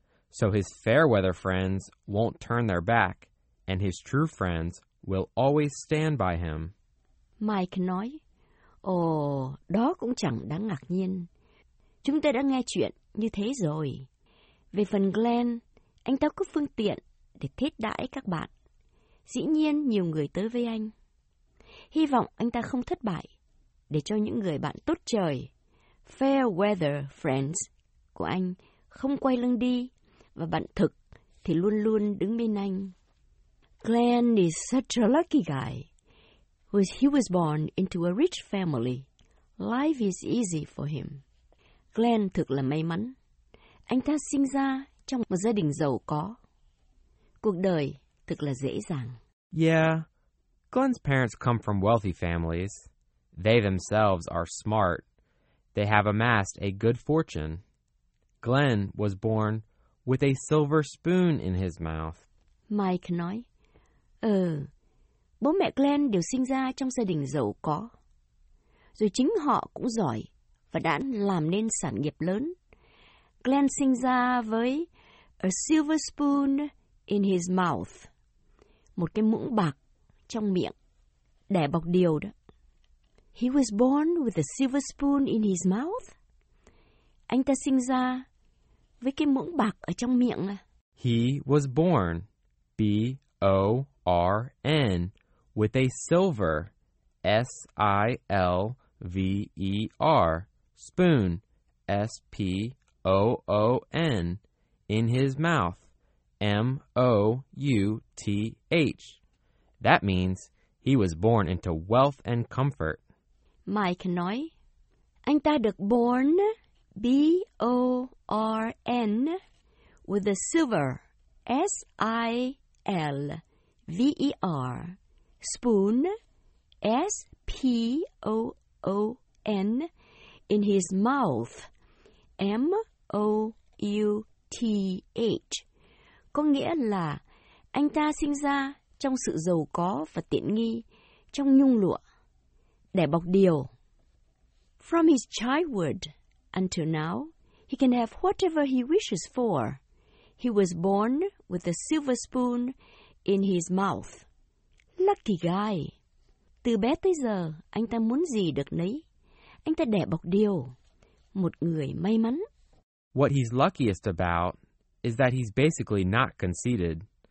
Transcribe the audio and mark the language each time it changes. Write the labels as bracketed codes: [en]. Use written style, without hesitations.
[en] So his fair weather friends won't turn their back, and his true friends will always stand by him. [vi] Mike nói, ồ, đó cũng chẳng đáng ngạc nhiên. Chúng ta đã nghe chuyện như thế rồi. Về phần Glenn, anh ta có phương tiện để thiết đãi các bạn. Dĩ nhiên nhiều người tới với anh. Hy vọng anh ta không thất bại để cho những người bạn tốt trời, fair weather friends của anh không quay lưng đi và bạn thực thì luôn luôn đứng bên anh. [en] Glenn is such a lucky guy. He was born into a rich family. Life is easy for him. [vi] Glenn thực là may mắn. Anh ta sinh ra trong một gia đình giàu có. Cuộc đời thực là dễ dàng. [en] Yeah, Glenn's parents come from wealthy families. They themselves are smart. They have amassed a good fortune. Glenn was born with a silver spoon in his mouth. [vi] Mike nói, bố mẹ Glenn đều sinh ra trong gia đình giàu có. Rồi chính họ cũng giỏi và đã làm nên sản nghiệp lớn. Glenn sinh ra với [en] a silver spoon in his mouth. [vi] Một cái muỗng bạc trong miệng, đẻ bọc điều đó. [en] He was born with a silver spoon in his mouth. [vi] Anh ta sinh ra với cái muỗng bạc ở trong miệng. [en] He was born, B-O-R-N. R-N, with a silver, S-I-L-V-E-R, spoon, S-P-O-O-N, in his mouth, M-O-U-T-H. That means he was born into wealth and comfort. [vi] Mike nói, anh ta được [en] born, B-O-R-N, with a silver, S-I-L-V-E-R, spoon, S-P-O-O-N, in his mouth, M-O-U-T-H, [vi] có nghĩa là anh ta sinh ra trong sự giàu có và tiện nghi, trong nhung lụa, đẻ bọc điều. [en] From his childhood until now, he can have whatever he wishes for. He was born with a silver spoon in his mouth. Lucky guy. [vi] Từ bé tới giờ, anh ta muốn gì được nấy. Anh ta đẻ bọc điều. Một người may mắn. [en] What he's luckiest about is that he's basically not conceited.